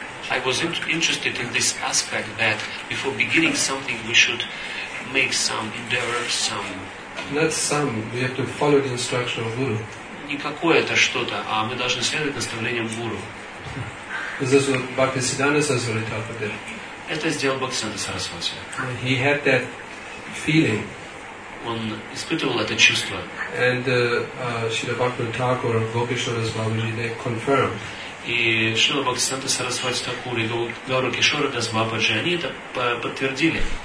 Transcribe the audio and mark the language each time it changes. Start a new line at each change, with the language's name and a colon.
English: I was interested in this aspect that before beginning something we should make some endeavor, some. Not some. We have to follow the instruction of Guru.
Russian: Не какое-то что-то, а мы должны следовать наставлениям Гуру.
English: This is what Bhaktisiddhanta Saraswati taught about it.
Russian: Это сделал Бхактисиддханта Сарасвати.
English: He had that feeling.
Russian: Он испытывал это чувство.
English: And Srila Bhaktivinoda Thakur and Gopeshwara Swamiji, they confirmed.
Russian: И Шрила Бхактисиддханта Сарасвати Такур и Гаура Кишора Дас Бабаджи, они это подтвердили.